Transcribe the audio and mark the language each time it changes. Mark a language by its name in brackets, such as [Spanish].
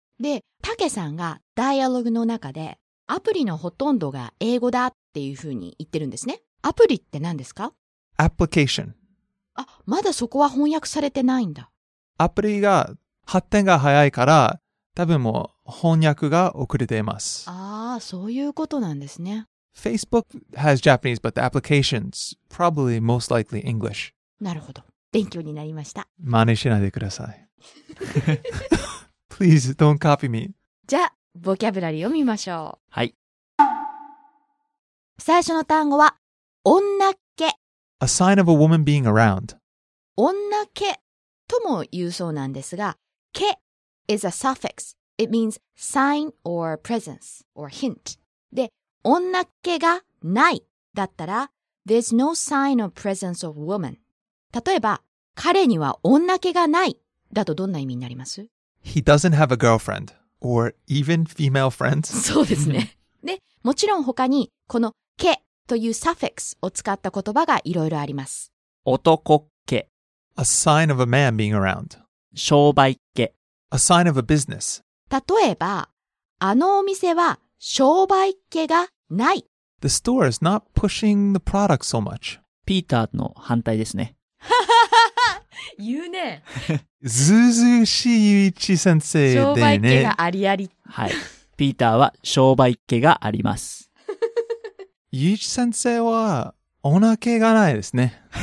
[Japanese] で、タケさんがダイアログの中で、アプリのほとんどが英語だっていうふうに言ってるんですね。アプリって何ですか？ [English] Application. [Japanese] あ、まだそこは翻訳されてないんだ。アプリが発展が早いから、多分もう翻訳が遅れています。ああ、そういうことなんですね。 [English] Facebook has Japanese, but the application's probably most likely English. [Japanese] なるほど。勉強になりました。真似しないでください。 [English] Please don't copy me. [Japanese] じゃあ、ボキャブラリーを見ましょう。はい。最初の単語は、女っ気。 [English] A sign of a woman being around. [Japanese] 女っ気とも言うそうなんですが、気。 [English] is a suffix. It means sign or presence or hint. [Japanese] で、女っ気がないだったら [English] There's no sign of presence of woman. [Japanese] 例えば、彼には女っ気がないだとどんな意味になります? [English] He doesn't have a girlfriend or even female friends. [Japanese] そうですね。で、もちろん他にこの気という suffix を使った言葉がいろいろあります。男っ気 [English] A sign of a man being around. [Japanese] 商売っ気 [English] A sign of a business. [Japanese] 例えば、あのお店は商売気がない。 [English] The store is not pushing the product so much. [Japanese] ピーターの反対ですね。言うね。ずうずうしいゆういち先生でね。商売気がありあり。はい。ピーターは商売気があります。ゆういち先生はお腹がないですね。